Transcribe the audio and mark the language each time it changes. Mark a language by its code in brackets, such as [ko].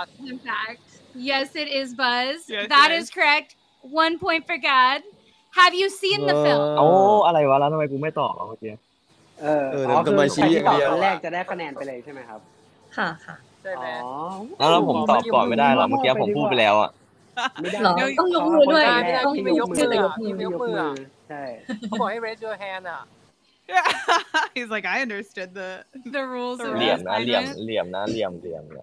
[en] in fact yes it is Buzz that is correct 1 point for God Have you seen the film? [th] โอ้อะไรวะแล้วทำไมกูไม่ตอบอ่ะเมื่อกี้ เออ ทำไมชี้อย่างเดียว แรกจะได้คะแนนไปเลยใช่ไหมครับ ค่ะ ค่ะใช่แล้วผมตอบก่อนไม่ได้หรอเมื่อกี้ผมพูดไปแล้วอ่ะ หรอต้องยกมือด้วยต้อง ยกมือ ใช่เขาบอกให้ [en] raise your hand [th] อ่ะ [en] He's like I understood the rules [th] เหลี่ยมนะเหลี่ยมเหลี่ยมนะเหลี่ยมเหลี่ยม